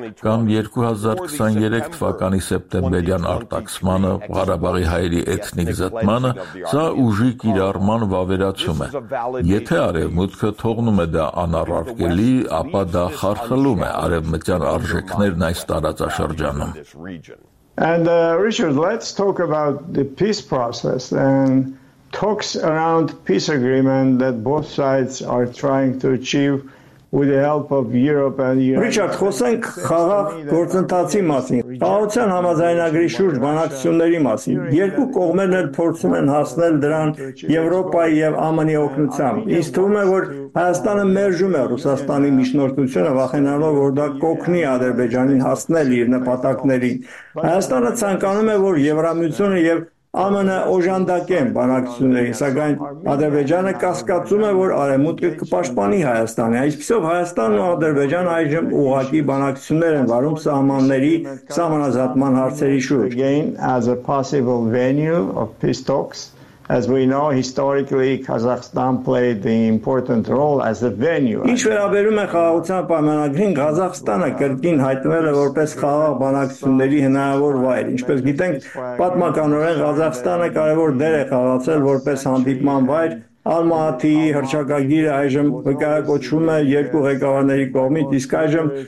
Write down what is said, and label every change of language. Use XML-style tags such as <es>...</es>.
<hy>կամ 2023 թվականի սեպտեմբերյան արտաքսմանը, Ղարաբաղի հայերի էթնիկ զտմանը, սա ուժի կիրառման վավերացում է, եթե արևմուտքը թողնում է դա անառարկելի, ապա դա խարխլում է, արևմտյան արժեքներն այս տարածաշրջանում։</hy> <en>And Richard, let's talk about the peace process and talks around peace agreement that both sides are trying to achieve with the help of Europe and United States.</en> <hy>Richard, խոսենք խաղաղ գործընթացի մասին, Պարտության համաձայնագրի շուրջ բանակցությունների մասին։ Երկու կողմերն էլ փորձում են հասնել դրան Եվրոպայի և ԱՄՆ-ի օգնությամբ։ Ինձ թվում է, որ Հայաստանը մերժում է Ռուսաստանի միջնորդությունը, վախենալով, որ դա կօգնի Ադրբեջանին հասնել իր նպատակներին։ Հայաստանը ցանկանում է, որ Եվրամիությունը և ԱՄՆ-ը օժանդակեն բանակցություններին, սակայն Ադրբեջանը կասկածում է, որ արևմուտքը կպաշտպանի Հայաստանը։ Այսպիսով Հայաստանն ու Ադրբեջանը այժմ ուղղակի բանակցություններ են վարում սահմանների սահմանազատման հարցերի շուրջ։</hy> <en>Again, as a possible venue of peace talks, as we know historically Kazakhstan played the important role as a venue.</en> <hy>Ինչ վերաբերում է խաղաղության պայմանագրին, Ղազախստանը կրկին հայտնվել է որպես խաղաղ բանակցությունների հնարավոր վայր։ Ինչպես գիտենք, պատմականորեն Ղազախստանը կարևոր դեր է խաղացել որպես հանդիպման վայր Ալմաթիի հռչակագիրը այժմ վկայակոչվում է երկու ղեկավարների կողմից, իսկ այժմ</hy>